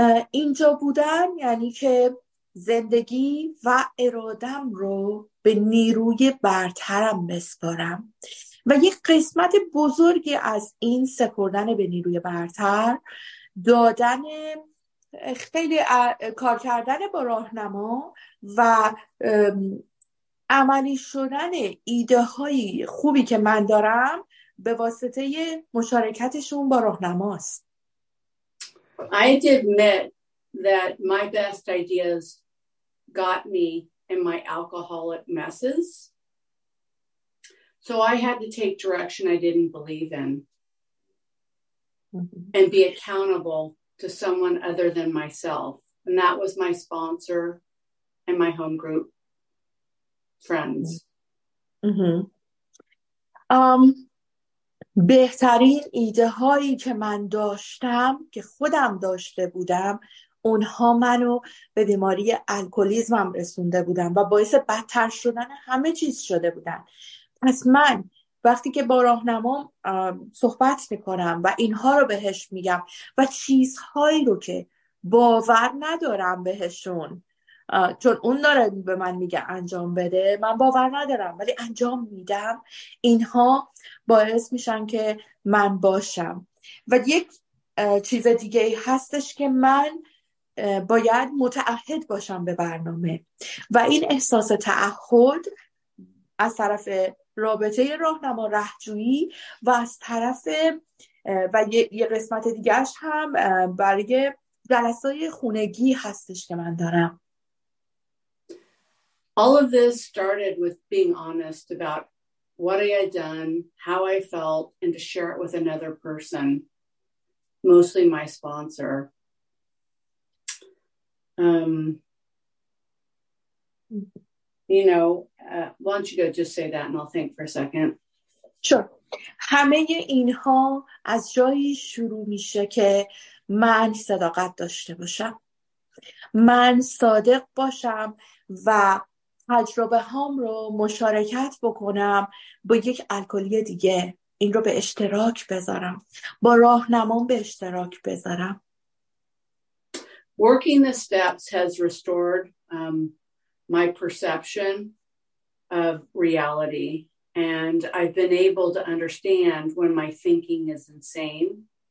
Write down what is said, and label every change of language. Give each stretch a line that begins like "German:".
Persian: اینجا بودن یعنی که زندگی و ارادم رو به نیروی برترم بسپارم و یک قسمت بزرگی از این سپردن به نیروی برتر دادن خیلی کار کردن با راهنما و عملی شدن ایده های خوبی که من دارم به واسطه مشارکتشون با راهنماست.
English: I admit that my best ideas got me in my alcoholic messes. So I had to take direction I didn't believe in and be accountable to someone other than myself. And that was my sponsor and my home group friends.
Persian: بهترین ایده هایی که من داشتم که خودم داشته بودم اونها منو به بیماری الکلیزمم رسونده بودن و باعث بدتر شدن همه چیز شده بودن. پس من وقتی که با راهنمام صحبت میکنم و اینها رو بهش میگم و چیزهایی رو که باور ندارم بهشون چون اون داره به من میگه انجام بده، من باور ندارم ولی انجام میدم، اینها باعث میشن که من باشم. و یک چیز دیگه هستش که من باید متعهد باشم به برنامه و این احساس تعهد از طرف رابطه راهنما رهجویی و از طرف و یه قسمت دیگرش هم برای جلسای خونگی هستش که من دارم.
English: All of this started with being honest about what I had done, how I felt, and to share it with another person, mostly my sponsor. You know, why don't you go just say that and I'll think for a second. Sure.
Persian: همه اینها از جایی شروع میشه که من صداقت داشته باشم. من صادق باشم و تجربه هام رو مشارکت بکنم با یک الکلی دیگه. این رو به اشتراک بذارم. با راهنمام به اشتراک بذارم.
English: Working the steps has restored my perception of reality, and I've been able to understand when my thinking is insane.